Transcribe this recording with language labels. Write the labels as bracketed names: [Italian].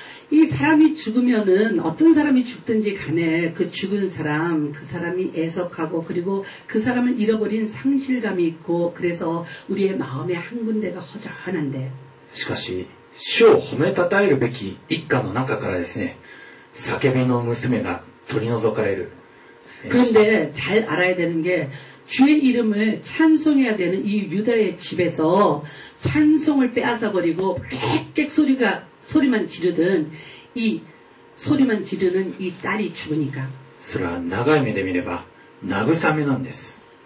[Korean] 이사람이죽으면은어떤사람이죽든지간에그죽은사람그사람이애석하고그리고그사람을잃어버린상실감이있고그래서우리의마음의한군데가허전한데。 [Japanese] しかし主を褒めたたえるべき一家の中からですね、叫びの娘が取り除かれる。 [Korean] 그런데잘알아야되는게주의이름을찬송해야되는이유다의집에서찬송을빼앗아버리고깨깨소리가소리만지르든이소리만지르는이딸이죽으니까。 [Japanese] それは長い目で見れば慰めなんです。